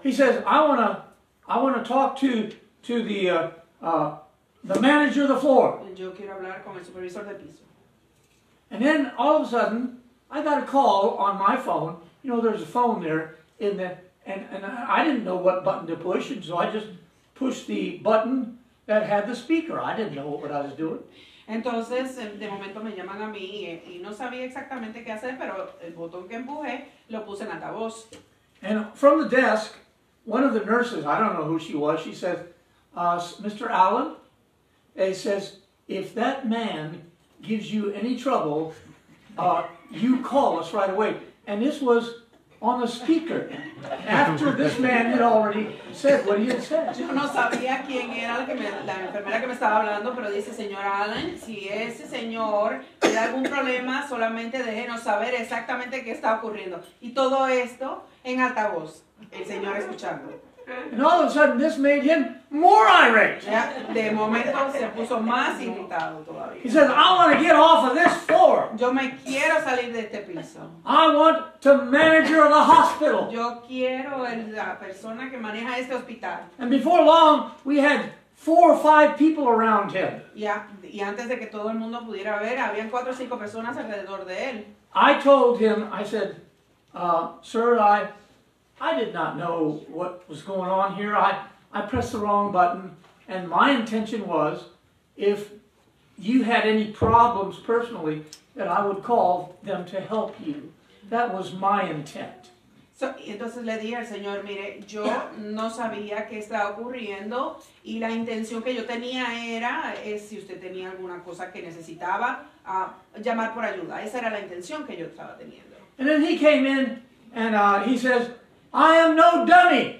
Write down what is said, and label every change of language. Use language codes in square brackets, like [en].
[en] He says, I wanna talk to the manager of the floor. [es] Yo quiero hablar con el supervisor del piso. [en] And then all of a sudden, I got a call on my phone. You know, there's a phone there in the and I didn't know what button to push, and so I just pushed the button that had the speaker. I didn't know what I was doing. [es] Entonces, de momento me llaman a mí y no sabía exactamente qué hacer, pero el botón que empujé lo puse en altavoz. [en] And from the desk, one of the nurses, I don't know who she was, she said, Mr. Allen, it says, if that man gives you any trouble, you call us right away. And this was on the speaker, after this man had already said what he had said. [es] Yo no sabía quién era la enfermera que me estaba hablando, pero dice, señor Allen, si ese señor tiene algún problema, solamente déjenos saber exactamente qué está ocurriendo. Y todo esto en altavoz, el señor escuchando. [en] And all of a sudden, this made him more irate. [es] De momento, se puso más irritado todavía. [en] He says, I want to get off of this floor. [es] Yo me quiero salir de este piso. [en] I want the manager of the hospital. [es] Yo quiero la persona que maneja este hospital. [en] And before long, we had 4 or 5 people around him. [es] Y antes de que todo el mundo pudiera ver, habían 4 or 5 personas alrededor de él. [en] I told him, I said, sir, I did not know what was going on here. I pressed the wrong button, and my intention was, if you had any problems personally, that I would call them to help you. That was my intent. [es] So, entonces le dije al señor, mire, yo no sabía qué estaba ocurriendo, y la intención que yo tenía era, si usted tenía alguna cosa que necesitaba, llamar por ayuda. Esa era la intención que yo estaba teniendo. [en] And then he came in, and he says, I am no dummy.